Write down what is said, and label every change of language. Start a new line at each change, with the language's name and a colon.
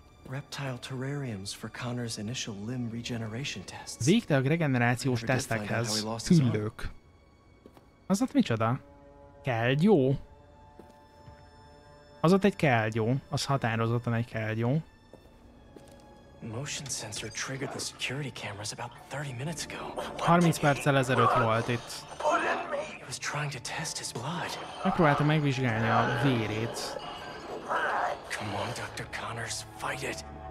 English: Reptile terrariums for Connor's initial limb regeneration tests.
Hungarian: Végtag regenerációs tesztekhez. Küllők. Az ott micsoda? Kell jó. Az ott egy kelgyó, az határozottan egy kelgyó.
English: Motion sensor triggered the security cameras about 30 minutes ago.
Hungarian: 30 perccel ezelőtt volt itt.
English: He was trying to test his blood.
Hungarian: Megpróbálta megvizsgálni a vérét.
English: Come on, Dr. Connors, fight it.